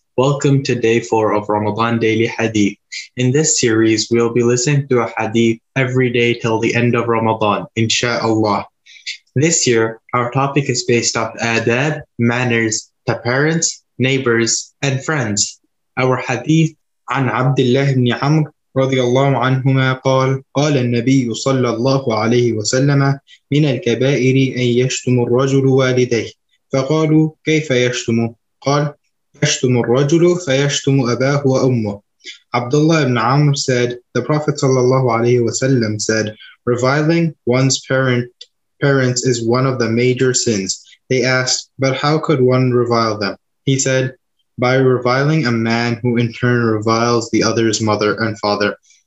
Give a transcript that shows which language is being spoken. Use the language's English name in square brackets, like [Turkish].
[English] Welcome to day four of Ramadan Daily Hadith. In this series, we'll be listening to a hadith every day till the end of Ramadan, insha'Allah. This year, our topic is based off adab, manners, to parents, neighbors, and friends. Our hadith [Arabic] عن عبد الله بن عمرو رضي الله عنهما قال قال النبي صلى الله عليه وسلم من الكبائر أن يشتم الرجل والديه فقالوا كيف يشتم قال يشتم الرجل فيشتم أباه وأمه. [English] عبد الله بن عمرو said the Prophet [Arabic] صلى الله عليه وسلم [English] said reviling one's parents is one of the major sins. They asked, but how could one revile them? He said, by reviling a man who in turn reviles the other's mother and father.